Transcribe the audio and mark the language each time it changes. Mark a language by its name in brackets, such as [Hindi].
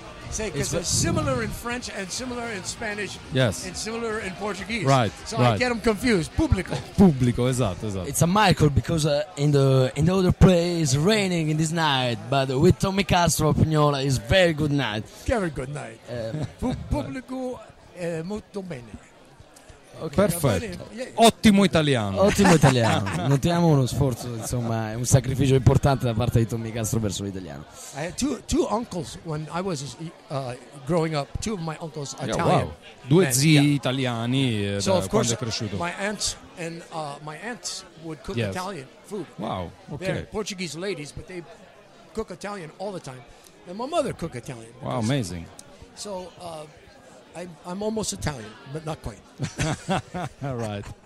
[English] Say, because it's similar in French and similar in Spanish. Yes. And similar in Portuguese. Right. So right. I get them confused. Pubblico. Pubblico. Exactly. It's a miracle because in the other place raining in this night, but with Tommy Castro of Pignola is very good night. Very good night. [Italian] Pubblico molto bene. [English] Okay. [Italian] Perfetto, ottimo italiano. Notiamo uno sforzo, insomma, è un sacrificio importante da parte di Tommy Castro verso l'italiano. [English] I had two uncles when I was growing up. Two of my uncles are Italian. Wow. [Italian] Due zii italiani quando è cresciuto. [English] My aunts and my aunts would cook Italian food. Wow, okay. They're Portuguese ladies, but they cook Italian all the time. And my mother cook Italian. Wow, amazing. So. I'm almost Italian, but not quite. All right.